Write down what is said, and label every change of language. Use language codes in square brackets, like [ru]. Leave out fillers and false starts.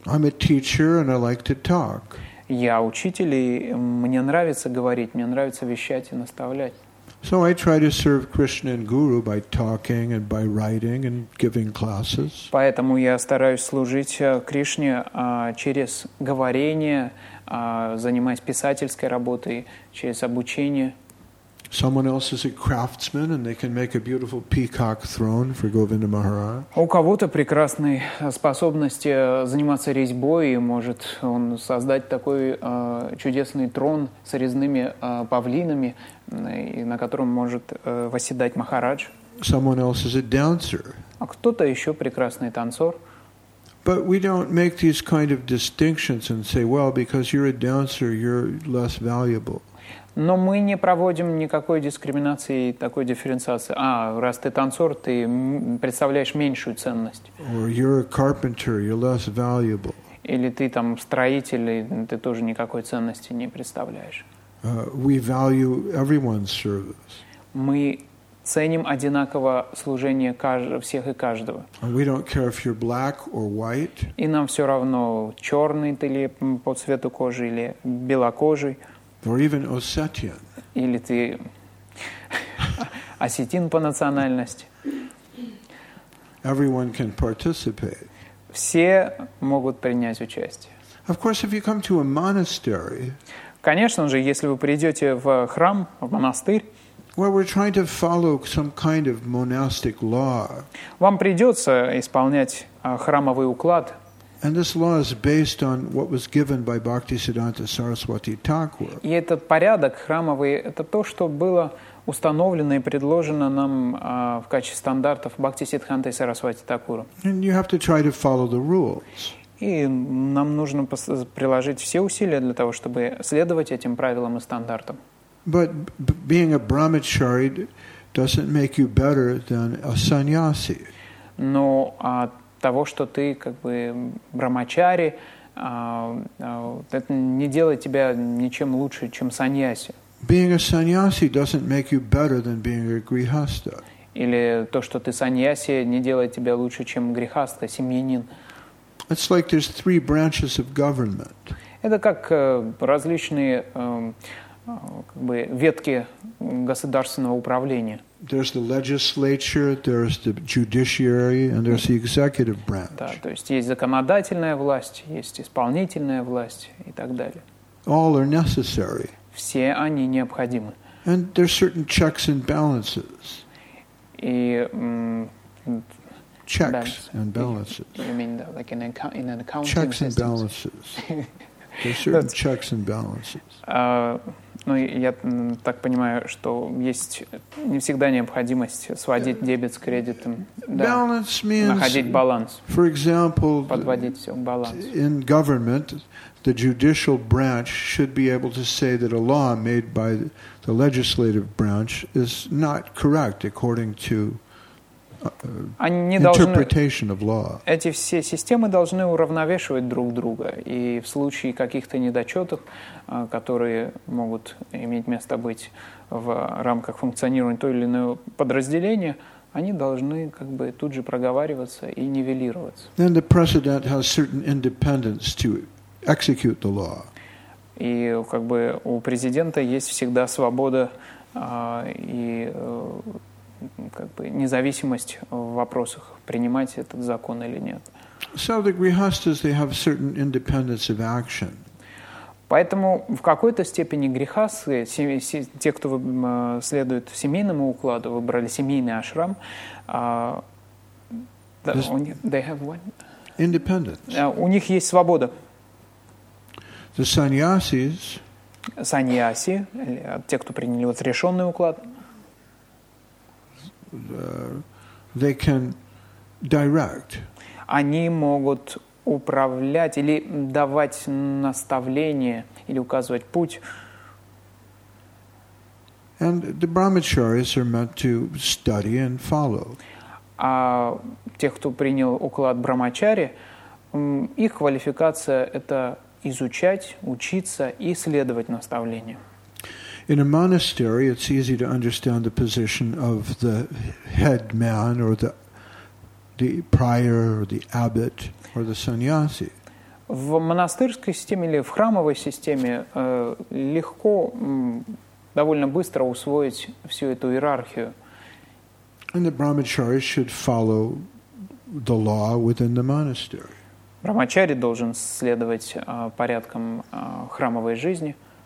[en] I'm a teacher and I like to talk. [ru] Я учитель, и мне нравится говорить, мне нравится вещать и наставлять. [en] So I try to serve Krishna and Guru by talking and by writing and giving classes. [ru] Поэтому я стараюсь служить Кришне через говорение, занимаясь писательской работой, через обучение. [en] Someone else is a craftsman and they can make a beautiful peacock throne for Govinda Maharaj. [ru] У кого-то прекрасные способности заниматься резьбой, и может он создать такой чудесный трон с резными павлинами, на котором может восседать Махарадж. [en] Someone else is a dancer. [ru] А кто-то еще прекрасный танцор. [en] But we don't make these kind of distinctions and say, well, because you're a dancer, you're less valuable. [ru] Но мы не проводим никакой дискриминации и такой дифференциации. А, раз ты танцор, ты представляешь меньшую ценность. [en] Or you're a carpenter, you're less valuable. [ru] Или ты там строитель, и ты тоже никакой ценности не представляешь. [en] We value everyone's service. [ru] Мы ценим одинаково служение всех и каждого. [en] And we don't care if you're black or white. [ru] И нам все равно, черный ты ли по цвету кожи или белокожий. [en] Or even Ossetian. [ru] Или ты осетин по национальности. [en] Everyone can participate. [ru] Все могут принять участие. [en] Of course, if you come to a monastery, [ru] конечно же, если вы придете в храм, в монастырь, [en] where we're trying to follow some kind of monastic law, [ru] вам придется исполнять храмовый уклад. [en] And this law is based on what was given by Bhaktisiddhanta Saraswati Thakur. [ru] И этот порядок храмовый – это то, что было установлено и предложено нам в качестве стандартов Бхактисиддхантой Сарасвати Такуру. [en] And you have to try to follow the rules. [ru] И нам нужно приложить все усилия для того, чтобы следовать этим правилам и стандартам. [en] But being a brahmachari doesn't make you better than a sannyasi. [ru] Но от того, что ты как бы брамачари, это не делает тебя ничем лучше, чем саньяси. [en] Being a sannyasi doesn't make you better than being a grihastha. [ru] Или то, что ты саньяси, не делает тебя лучше, чем грихастха, семьянин. [en] It's like there's three branches of government. [ru] Это как различные как бы ветки государственного управления. [en] There's the legislature, there's the judiciary, and there's the executive branch. [ru] Да, то есть есть законодательная власть, есть исполнительная власть и так далее. [en] All are necessary. [ru] Все они необходимы. [en] And there's certain checks and balances. [ru] И [en] checks balance. And balances. You mean that, like in an accounting system? Checks systems. And balances. There's certain checks and balances. [ru] Ну, я так понимаю, что есть не всегда необходимость сводить дебет с кредитом, да, находить баланс, [en] for example, [ru] подводить все к балансу. [en] In government, the judicial branch should be able to say that a law made by the legislative branch is not correct according to interpretation of law. [ru] Эти все системы должны уравновешивать друг друга, и в случае каких-то недочетов, которые могут иметь место быть в рамках функционирования той или иной подразделения, они должны как бы тут же проговариваться и нивелироваться. [en] And the president has certain independence to execute the law. [ru] И как бы у президента есть всегда свобода и как бы независимость в вопросах, принимать этот закон или нет. [en] So the grihasthas, they have certain independence of action. [ru] Поэтому в какой-то степени грихасы, те, кто следует семейному укладу, выбрали семейный ашрам, [en] they have what? Independence. [ru] У них есть свобода. [en] The sannyasis, [ru] саньяси, те, кто приняли вот решенный уклад, [en] they can direct. [ru] Они могут управлять или давать наставление или указывать путь. [en] And the brahmacharis are meant to study and follow. [ru] А те, кто принял уклад брамачари, их квалификация это изучать, учиться и следовать наставлению. [en] In a monastery, it's easy to understand the position of the head man or the prior or the abbot or the sannyasi. [ru] В монастырской системе или в храмовой системе легко, довольно быстро усвоить всю эту иерархию. [en] And the brahmachari should follow the law within the monastery. [ru] Брамачари должен следовать порядкам храмовой жизни.